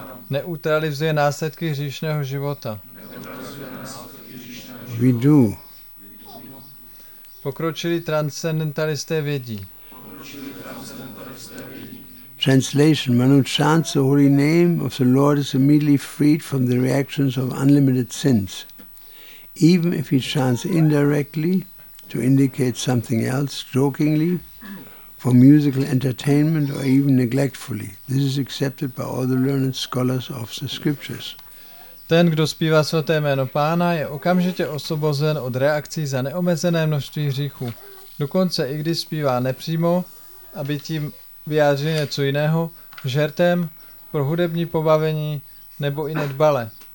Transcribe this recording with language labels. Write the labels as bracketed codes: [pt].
[cs] Neutralizuje následky hříšného života. Vidu. Pokročilí transcendentalisté vědí. [en] Translation. One who chants the holy name of the Lord is immediately freed from the reactions of unlimited sins. Even if he chants indirectly, to indicate something else, jokingly, for musical entertainment or even neglectfully. This is accepted by all the learned scholars of the scriptures. [cs] Ten, kdo zpívá svaté jméno Pána, je okamžitě osvobozen od reakcí za neomezené množství hříchů. Dokonce i když zpívá nepřímo, aby tím vyjádřil něco jiného, žertem, pro hudební pobavení nebo i nedbale.